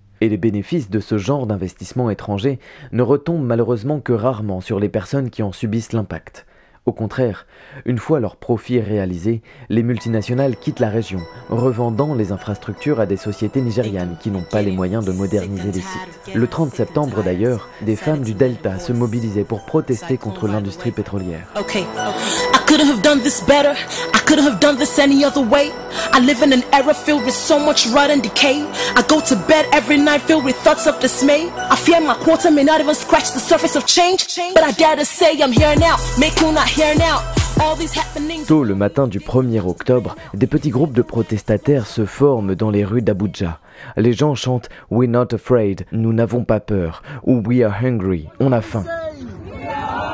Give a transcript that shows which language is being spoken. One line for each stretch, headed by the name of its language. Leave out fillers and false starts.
French: Et les bénéfices de ce genre d'investissement étranger ne retombent malheureusement que rarement sur les personnes qui en subissent l'impact. Au contraire, une fois leurs profits réalisés, les multinationales quittent la région, revendant les infrastructures à des sociétés nigérianes qui n'ont pas les moyens de moderniser les sites. Le 30 septembre d'ailleurs, des femmes du Delta se mobilisaient pour protester contre l'industrie pétrolière.
English: I couldn't have done this better, I couldn't have done this any other way. I live in an era filled with so much rot and decay. I go to bed every night filled with thoughts of dismay. I fear my quota may not even scratch the surface of change. But I dare to say I'm here now, make you not here now.
French: Tôt le matin du 1er octobre, des petits groupes de protestataires se forment dans les rues d'Abuja. Les gens chantent «
English: We're not afraid
French: »,« Nous n'avons pas peur » ou «
English: We are hungry
French: »,« On a faim ».